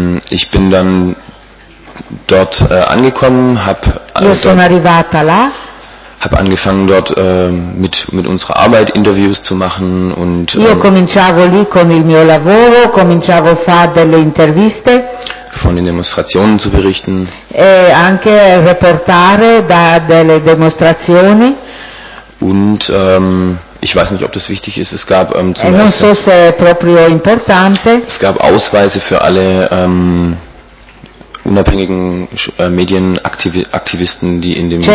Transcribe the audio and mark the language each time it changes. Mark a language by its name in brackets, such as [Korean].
[German] Ich bin dann dort angekommen, hab angefangen dort mit unserer Arbeit Interviews zu machen und [Italian] io cominciavo lì con il mio lavoro, cominciavo a fare delle interviste, [German] von den Demonstrationen zu berichten [Italian] e anche reportare da delle demonstrazioni. [German] Und ich weiß nicht, ob das wichtig ist. Es gab es gab Ausweise für alle unabhängigen Medienaktivisten, die in dem